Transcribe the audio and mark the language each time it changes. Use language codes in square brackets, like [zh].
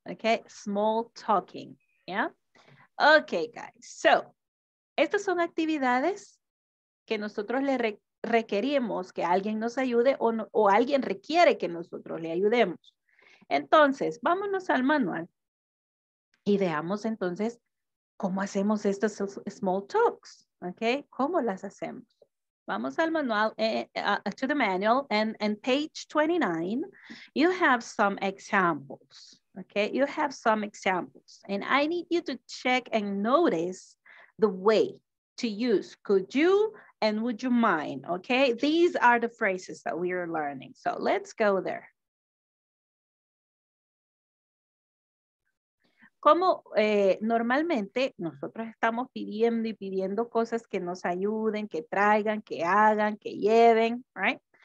[en] Okay, small talking, yeah? Okay, guys, so, [es] estas son actividades que nosotros le requerimos que alguien nos ayude o, no, o alguien requiere que nosotros le ayudemos. Entonces, vámonos al manual y veamos entonces cómo hacemos estos small talks, okay? ¿Cómo las hacemos? Vamos al manual, [en] to the manual, and on page 29, you have some examples. Okay, you have some examples, and I need you to check and notice the way to use could you and would you mind, okay? These are the phrases that we are learning, so let's go there. [es] Como normalmente nosotros estamos pidiendo y pidiendo cosas que nos ayuden, que traigan, que hagan, que lleven, right?